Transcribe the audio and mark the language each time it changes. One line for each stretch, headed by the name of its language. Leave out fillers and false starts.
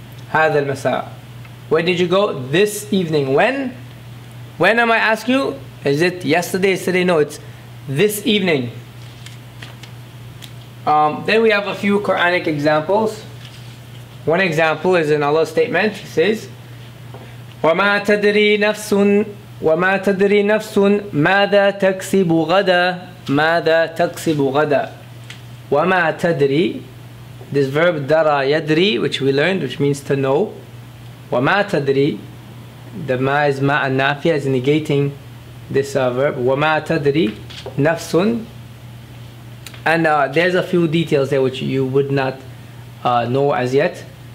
Arabic: Hadha al-masa.
English: Where did you go? This evening. When? When am I asking you? Is it yesterday, yesterday? No, it's this evening. Then we have a few Quranic examples. One example is in Allah's statement. He says,
Arabic: وَمَا تَدْرِي نَفْسٌ وَمَا تَدْرِي نَفْسٌ مَاذَا تَكْسِبُ غَدَى مَاذَا تَكْسِبُ غَدَى وَمَا تَدْرِي.
English: This verb دَرَى يَدْرِي, which we learned, which means to know.
Arabic: وَمَا تَدْرِي,
English: the ma is ma and nafia, is negating this verb.
Arabic: وَمَا تَدْرِي نَفْسٌ.
English: And there's a few details there which you would not know as yet.